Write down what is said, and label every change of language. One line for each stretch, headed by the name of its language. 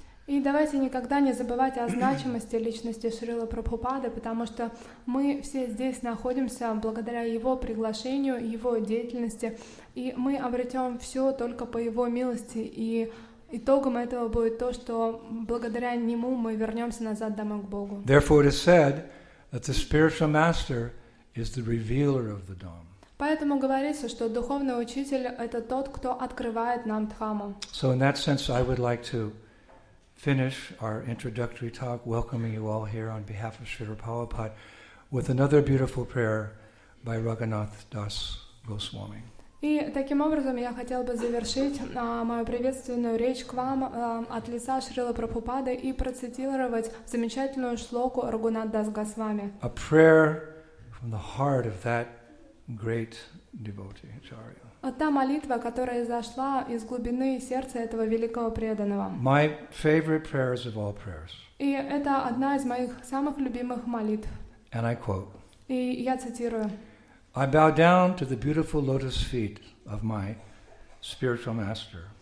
Russian: И давайте никогда не забывать о значимости личности Шрилы Прабхупады, потому что мы все здесь находимся благодаря его приглашению, его деятельности, и мы обретем все только по его милости и итогом этого будет то, что благодаря нему мы вернемся назад домой к Богу.
English: Therefore, it is said that the spiritual master is the revealer of the Dhamma.
Russian: Поэтому говорится, что духовный учитель — это тот, кто открывает нам Дхамму.
English: So in that sense, I would like to finish our introductory talk, welcoming you all here on behalf of Srila Prabhupada, with another beautiful prayer by Raghunath Das Goswami.
Russian: И таким образом я хотел бы завершить мою приветственную речь к вам от лица Шрилы Прабхупады и процитировать замечательную шлоку Рагунат Дас Госвами.
English: A prayer from the heart of that great devotee, Acharya.
Russian: Та молитва, которая зашла из глубины сердца этого великого преданного.
English: My favorite prayers of all prayers.
Russian: И это одна из моих самых любимых молитв.
English: And I quote.
Russian: И я цитирую.
English: I bow down to the beautiful lotus feet of my spiritual master.